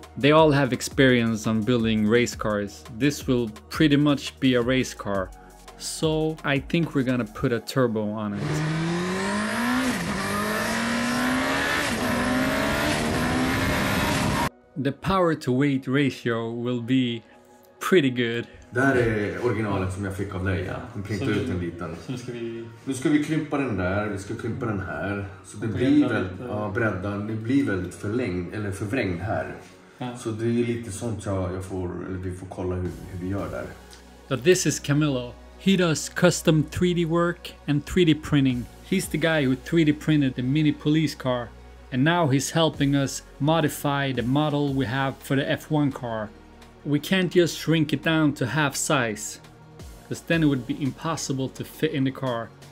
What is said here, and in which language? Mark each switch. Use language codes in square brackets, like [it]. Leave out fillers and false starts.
[en] They all have experience on building race cars. This will pretty much be a race car. So I think we're gonna put a turbo on it. The power to weight ratio will be pretty good. [sv] Det här är originalet som jag fick av dig, ja. Jag printade ut en liten. Nu ska vi krympa den där, vi ska krympa den här. Så det blir väl, ja, breddan, det blir väldigt förlängd, eller förvrängd här. Ja. Så det är lite sånt jag får, eller vi får kolla hur vi gör där. [en] But this is Camillo. He does custom 3D work and 3D printing. He's the guy who 3D printed the mini police car. And now he's helping us modify the model we have for the F1 car. We can't just shrink it down to half size, because then it would be impossible to fit in the car.